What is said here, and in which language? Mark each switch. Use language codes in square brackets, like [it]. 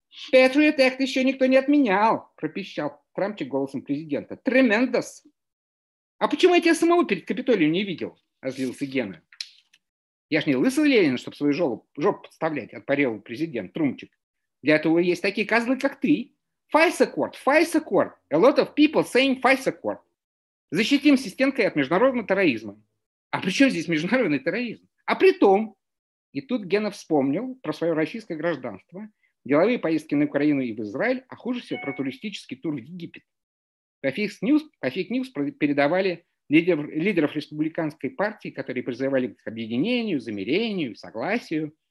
[ru] «Patriot Act еще никто не отменял», – пропищал Трампчик голосом президента. [en] «Tremendous! [ru] А почему я тебя самого перед Капитолием не видел?» – озлился Гена. «Я ж не лысый Ленин, чтобы свою жопу подставлять», – отпарил президент Трумчик. «Для этого есть такие козлы, как ты. [en] FISA Court, FISA Court. A lot of people saying FISA Court. [ru] Защитим системкой от международного терроризма». «А при чем здесь международный терроризм?» «А при том...» И тут Гена вспомнил про свое российское гражданство, деловые поездки на Украину и в Израиль, а хуже всего про туристический тур в Египет. По Fake News передавали лидеров республиканской партии, которые призывали к объединению, замирению, согласию.